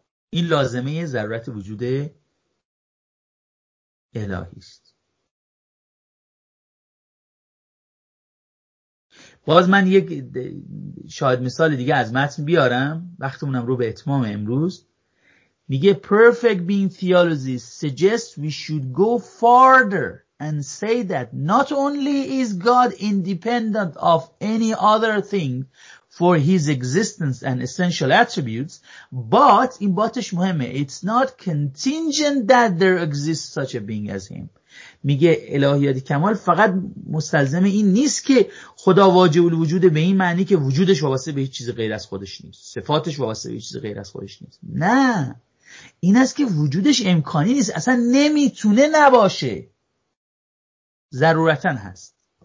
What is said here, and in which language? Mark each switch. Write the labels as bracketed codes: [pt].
[fa] این لازمه ضرورت وجود الهی است. باز من یک شاهد مثال دیگه از متن بیارم، وقتمونم رو به اتمام امروز. میگه [en] perfect being theology suggests we should go farther and say that not only is God independent of any other thing for his existence and essential attributes, but in [fa] باتش مهمه [en] it's not contingent that there exists such a being as him. [fa] میگه الهیات کمال فقط مستلزم این نیست که خدا واجب الوجود به این معنی که وجودش واسه به هیچ چیز غیر از خودش نیست، صفاتش واسه به هیچ چیز غیر از خودش نیست، نه، این است که وجودش امکانی نیست، اصلا نمیتونه نباشه، ضرورتاً هست.